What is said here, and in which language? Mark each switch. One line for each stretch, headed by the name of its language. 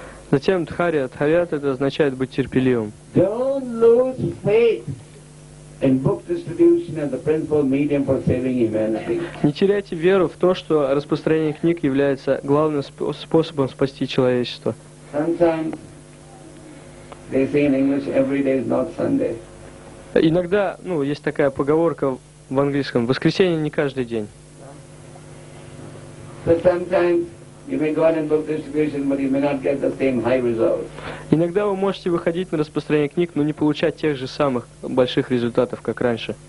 Russian: Затем дхария. Дхария это означает быть терпеливым.
English: Don't lose faith. In book distribution as the principal medium for saving humanity.
Russian: Не теряйте веру в то, что распространение книг является главным способом спасти человечество.
English: Sometimes they say in English, every day is not Sunday.
Russian: Иногда, есть такая поговорка в английском: воскресенье не каждый день.
English: But sometimes you may go out in book distribution, but you may not get the same high results.
Russian: Иногда вы можете выходить на распространение книг, но не получать тех же самых больших результатов, как раньше.